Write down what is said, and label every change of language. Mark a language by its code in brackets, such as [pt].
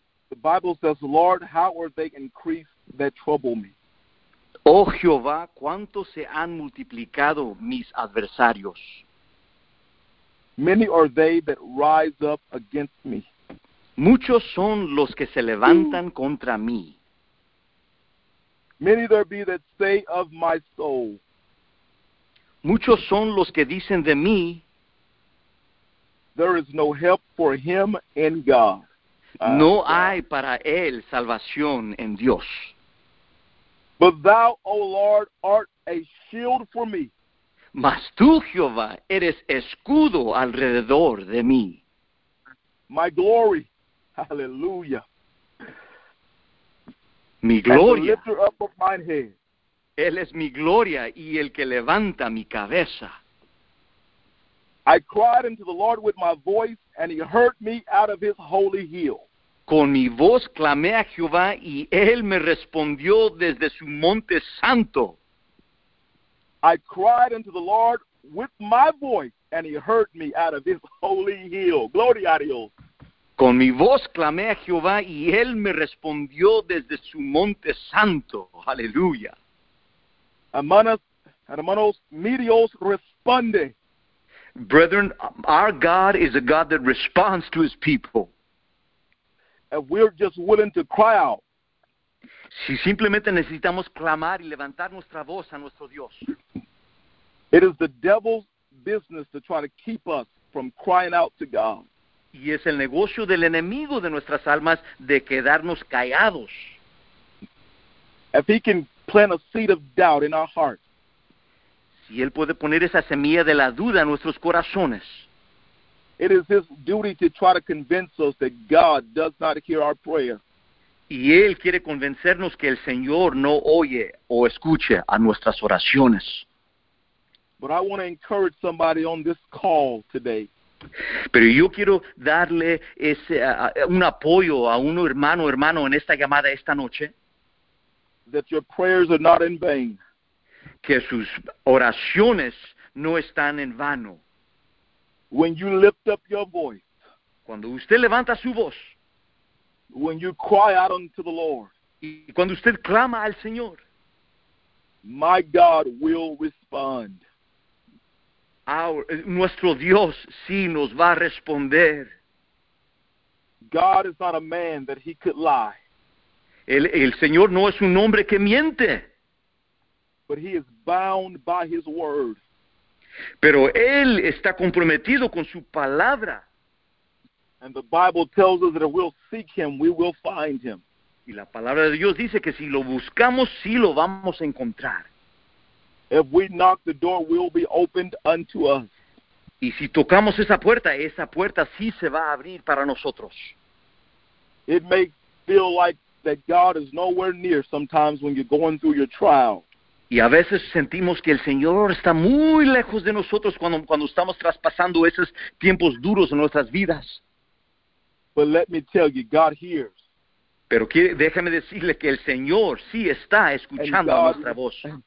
[en] The Bible says, Lord, how are they increased that trouble me? [es] Oh Jehová, ¿cuánto se han multiplicado mis adversarios? [en] Many are they that rise up against me. [es] Muchos son los que se levantan contra mí. [en] Many there be that say of my soul. [es] Muchos son los que dicen de mí. [en] There is no help for him in God. [es] No hay para él salvación en Dios. [en] But thou, O Lord, art a shield for me. [es] Mas tú, Jehová, eres escudo alrededor de mí. [en] My glory. Hallelujah. [es] Mi gloria. [en] And the lifter up of mine head. [es] Él es mi gloria y el que levanta mi cabeza. [en] I cried unto the Lord with my voice, and he heard me out of his holy hill. [es] Con mi voz clamé a Jehová, y él me respondió desde su monte santo. [en] I cried unto the Lord with my voice, and he heard me out of his holy hill. [es] Gloria a Dios. Con mi voz clamé a Jehová, y él me respondió desde su monte santo. Aleluya. Hermanos, mi Dios responde. [en] Brethren, our God is a God that responds to his people. And we're just willing to cry out. [es] Si simplemente necesitamos clamar y levantar nuestra voz a nuestro Dios. [en] It is the devil's business to try to keep us from crying out to God. [es] Y es el negocio del enemigo de nuestras almas de quedarnos callados. [en] If he can plant a seed of doubt in our hearts. [es] Si él puede poner esa semilla de la duda en nuestros corazones. [en] It is his duty to try to convince us that God does not hear our prayer. [es] Y él quiere convencernos que el Señor no oye o escucha a nuestras oraciones. [en] But I want to encourage somebody on this call today. [es] Pero yo quiero darle ese un apoyo a un hermano o hermano en esta llamada esta noche. [en] That your prayers are not in vain. [es] Que sus oraciones no están en vano. [en] When you lift up your voice, [es] cuando usted levanta su voz, [en] when you cry out unto the Lord, [es] y cuando usted clama al Señor, [en] my God will respond. [es] Nuestro Dios sí nos va a responder. [en] God is not a man that he could lie. [es] El Señor no es un hombre que miente. [en] But he is bound by his word. [es] Pero él está comprometido con su palabra. [en] And the Bible tells us that if we'll seek him, we will find him. [es] Y la palabra de Dios dice que si lo buscamos, sí lo vamos a encontrar. [en] If we knock, the door will be opened unto us. [es] Y si tocamos esa puerta sí se va a abrir para nosotros. [en] It may feel like that God is nowhere near sometimes when you're going through your trial. [es] Y a veces sentimos que el Señor está muy lejos de nosotros cuando estamos traspasando esos tiempos duros en nuestras vidas. [en] But let me tell you, God hears. [es] Pero déjame decirle que el Señor sí está escuchando [en] and God, [es] nuestra voz.